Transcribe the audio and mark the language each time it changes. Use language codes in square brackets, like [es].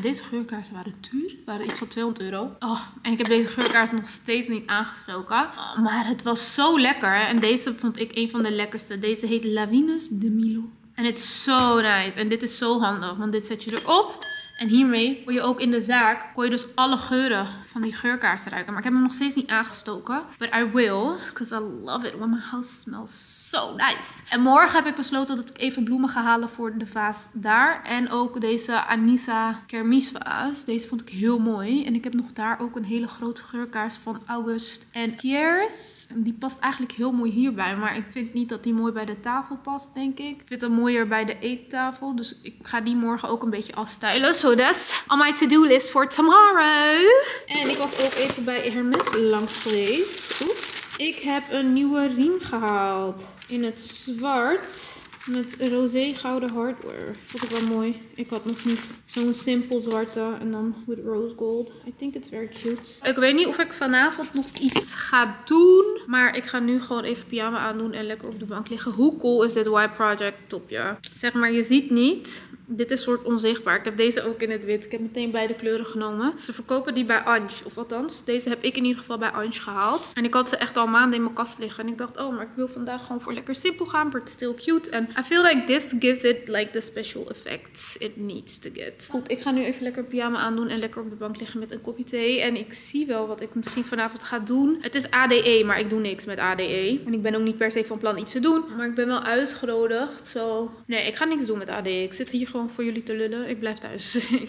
[nl] Deze geurkaarsen waren duur. Waren iets van €200. Oh, en ik heb deze geurkaarsen nog steeds niet aangesproken. Oh, maar het was zo lekker. En deze vond ik een van de lekkerste. Deze heet Lavinus de Milo. En het is zo nice. En dit is zo handig. Want dit zet je erop. En hiermee kon je ook in de zaak, kon je dus alle geuren van die geurkaars ruiken. Maar ik heb hem nog steeds niet aangestoken. [en] But I will, because I love it when my house smells so nice. [nl] En morgen heb ik besloten dat ik even bloemen ga halen voor de vaas daar. En ook deze Anissa Kermis vaas. Deze vond ik heel mooi. En ik heb nog daar ook een hele grote geurkaars van August en Pierre's. Die past eigenlijk heel mooi hierbij. Maar ik vind niet dat die mooi bij de tafel past, denk ik. Ik vind hem mooier bij de eettafel. Dus ik ga die morgen ook een beetje afstylen. [en] So that's on my to-do list for tomorrow. [nl] En ik was ook even bij Hermes langs geweest. Oeps. Ik heb een nieuwe riem gehaald. In het zwart. Met roze gouden hardware. Vond ik wel mooi. Ik had nog niet zo'n simpel zwarte. En dan [en] with rose gold. I think it's very cute. [nl] Ik weet niet of ik vanavond nog iets ga doen. Maar ik ga nu gewoon even pyjama aandoen en lekker op de bank liggen. Hoe cool is dit Y Project topje? Zeg maar, je ziet niet. Dit is soort onzichtbaar. Ik heb deze ook in het wit. Ik heb meteen beide kleuren genomen. Ze verkopen die bij Ange. Of althans, deze heb ik in ieder geval bij Ange gehaald. En ik had ze echt al maanden in mijn kast liggen. En ik dacht, oh, maar ik wil vandaag gewoon voor lekker simpel gaan. [en] But still cute. And I feel like this gives it like the special effects it needs to get. [nl] Goed, ik ga nu even lekker pyjama aandoen en lekker op de bank liggen met een kopje thee. En ik zie wel wat ik misschien vanavond ga doen. Het is ADE, maar ik doe niks met ADE. En ik ben ook niet per se van plan iets te doen. Maar ik ben wel uitgenodigd. So... Nee, ik ga niks doen met ADE. Ik zit hier gewoon voor jullie te lullen. Ik blijf thuis.